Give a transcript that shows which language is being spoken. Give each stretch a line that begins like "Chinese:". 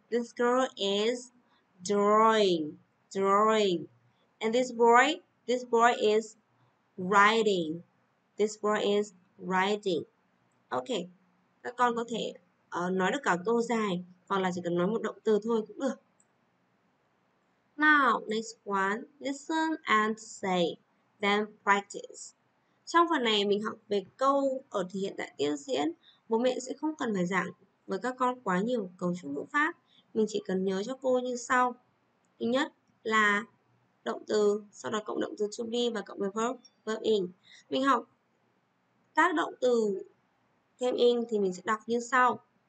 English: This girl is drawing. Drawing. And this boy. This boy is writing. This word is writing.
Vietnamese: Okay, các con có thể nói được cả câu dài hoặc là chỉ cần nói một động từ thôi cũng được.
English: Now, next one, listen and say, then practice.
Vietnamese: Trong phần này mình học về câu ở thì hiện tại tiến diễn. Bố mẹ sẽ không cần phải giảng với các con quá nhiều cấu trúc ngữ pháp. Mình chỉ cần nhớ cho cô như sau. Thứ nhất là động từ, sau đó cộng động từ to be và cộng với verb. Verb in. Mình học các động từ thêm in thì mình sẽ đọc như sau.